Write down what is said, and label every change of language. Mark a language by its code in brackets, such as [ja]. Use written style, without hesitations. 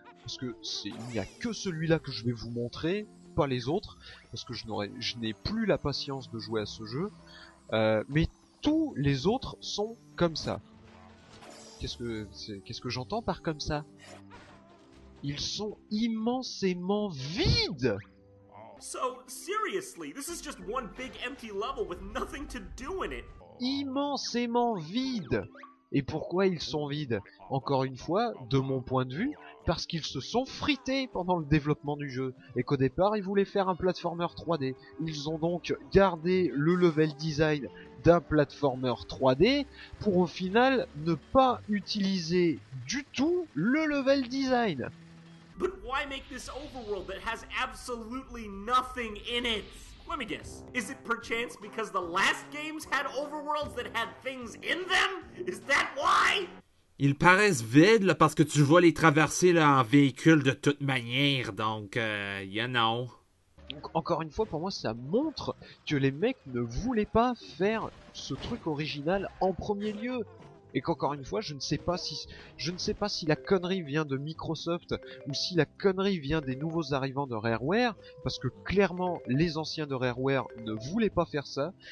[fr] Parce que il n'y a que celui-là que je vais vous montrer, pas les autres. Parce que je n'ai plus la patience de jouer à ce jeu. Mais tous les autres sont comme ça. Qu'est-ce que j'entends par comme ça? Ils sont immensément vides! [en] So, seriously, this is just one big empty level with nothing to do in it. [fr] Immensément vides! Et pourquoi ils sont vides? Encore une fois, de mon point de vue, parce qu'ils se sont frités pendant le développement du jeu, et qu'au départ, ils voulaient faire un platformer 3D. Ils ont donc gardé le level design d'un platformer 3D, pour au final ne pas utiliser du tout le level design. [en] But why make this overworld that has absolutely nothing in it? Let me guess. Is it perchance because the last games had overworlds that had things in them? Is that why? [fr] Ils paraissent vides là, parce que tu vois les traverser là, en véhicule de toute manière, donc [en] you know. [fr] Donc encore une fois, pour moi, ça montre que les mecs ne voulaient pas faire ce truc original en premier lieu. Et qu'encore une fois, je ne sais pas si la connerie vient de Microsoft ou si la connerie vient des nouveaux arrivants de Rareware, parce que clairement, les anciens de Rareware ne voulaient pas faire ça.